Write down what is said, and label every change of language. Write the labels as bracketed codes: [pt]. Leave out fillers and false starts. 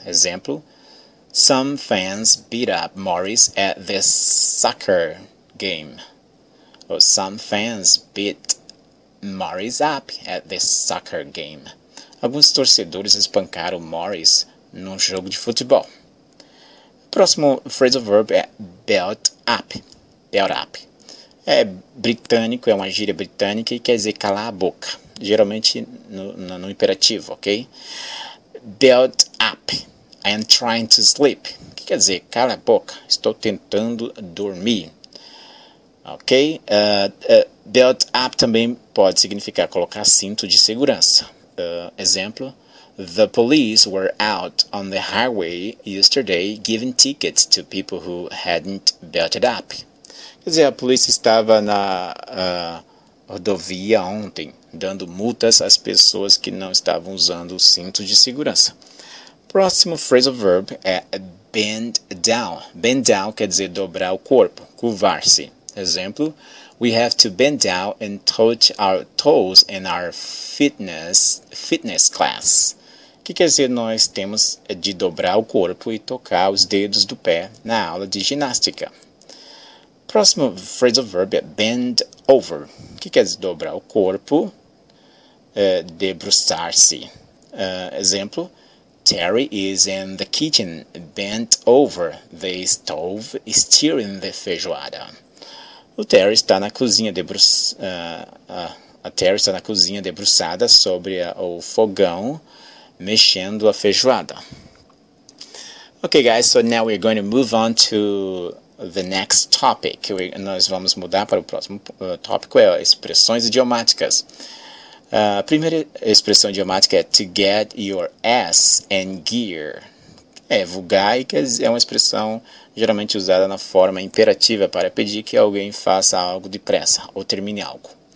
[en] Exemplo: some fans beat up Morris at the soccer game. Or some fans beat Morris up at the soccer game. [pt] Alguns torcedores espancaram Morris num jogo de futebol. Próximo phrasal verb é belt up. Belt up. É britânico, é uma gíria britânica e quer dizer calar a boca. Geralmente no imperativo, ok? Belt up. [en] I am trying to sleep. [pt] O que quer dizer? Cala a boca. Estou tentando dormir. Ok? Belt up também pode significar colocar cinto de segurança. Exemplo. [en] The police were out on the highway yesterday giving tickets to people who hadn't belted up. [pt] Quer dizer, a polícia estava na rodovia ontem, dando multas às pessoas que não estavam usando o cinto de segurança. Próximo phrasal verb é bend down. Bend down quer dizer dobrar o corpo, curvar-se. [en] Exemplo, we have to bend down and touch our toes in our fitness class. [pt] O que quer dizer nós temos de dobrar o corpo e tocar os dedos do pé na aula de ginástica? Próximo phrasal verb é bend over. O que quer dizer dobrar o corpo? Debruçar-se. Exemplo, [en] Terry is in the kitchen bent over the stove stirring the feijoada. [pt] O Terry está na cozinha debruçada sobre o fogão, mexendo a feijoada. [en] Okay, guys, so now we're going to move on to the next topic. [pt] Nós vamos mudar para o próximo tópico, é expressões idiomáticas. A primeira expressão idiomática é to get your ass in gear. É vulgar e é uma expressão geralmente usada na forma imperativa para pedir que alguém faça algo depressa ou termine algo.